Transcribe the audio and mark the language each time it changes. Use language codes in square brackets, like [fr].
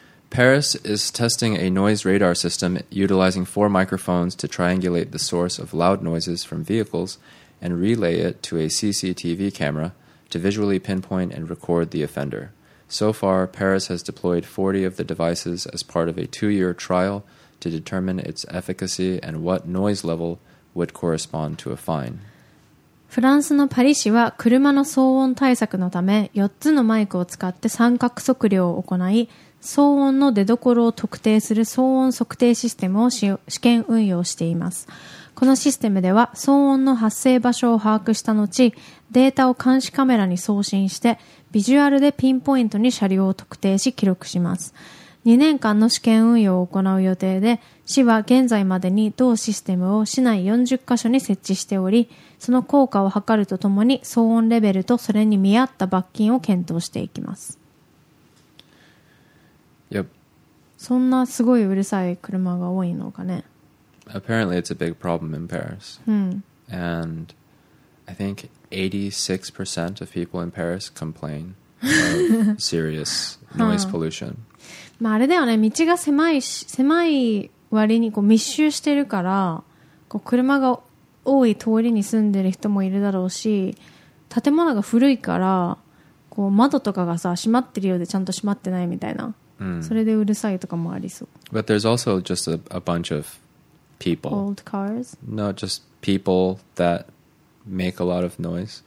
[en] Paris is testing a noise radar system utilizing four microphones to triangulate the source of loud noises from vehicles and relay it to a CCTV camera to visually pinpoint and record the offender. So far, Paris has deployed 40 of the devices as part of a 2-year trial to determine its efficacy and what noise level would correspond to a fine. [ja] フランスのパリ市は車の騒音対策のため4つのマイクを使って三角測量を行い騒音の出所を特定する騒音測定システムを試験運用しています。このシステムでは騒音の発生場所を把握した後データを監視カメラに送信してビジュアルでピンポイントに車両を特定し記録します。 2年間の試験運用を行う予定で市は現在までに同システムを市内40カ所に設置しておりその効果を測るとともに騒音レベルとそれに見合った罰金を検討していきます。 [en] Yep. [ja] そんなすごいうるさい車が多いのかね。 [en] Apparently it's a big problem in Paris. And I think 86% of people in Paris complain of serious noise pollution. [ja] まああれだよね、道が狭い割にこう密集してるからこう車が多い通りに住んでる人もいるだろうし、建物が古いからこう窓とかがさ閉まってるようでちゃんと閉まってないみたいな。それでうるさいとかもありそう。 [en] But there's also just a bunch of people. Old cars? No, just people that make a lot of noise.